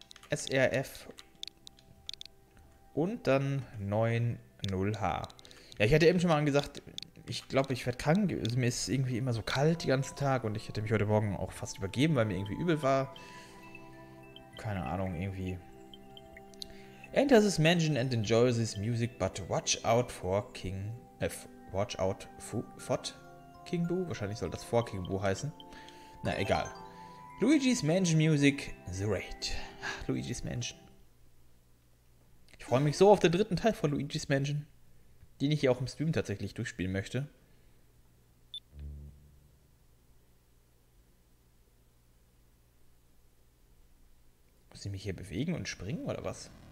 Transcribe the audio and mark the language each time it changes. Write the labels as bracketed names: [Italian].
[German] SRF. Und dann 90H. Ja, ich hatte eben schon mal angesagt, ich glaube, ich werde krank. Mir ist irgendwie immer so kalt den ganzen Tag und ich hätte mich heute Morgen auch fast übergeben, weil mir irgendwie übel war. Keine Ahnung, irgendwie. [English] Enter this mansion and enjoy this music, but watch out for King. Watch out for King Boo? [German] Wahrscheinlich soll das [English] for King Boo [German] heißen. Na, egal. [English] Luigi's Mansion Music, The Raid. [German] Ach, Luigi's Mansion. Ich freue mich so auf den dritten Teil von Luigi's Mansion, den ich hier auch im Stream tatsächlich durchspielen möchte. Muss ich mich hier bewegen und springen oder was?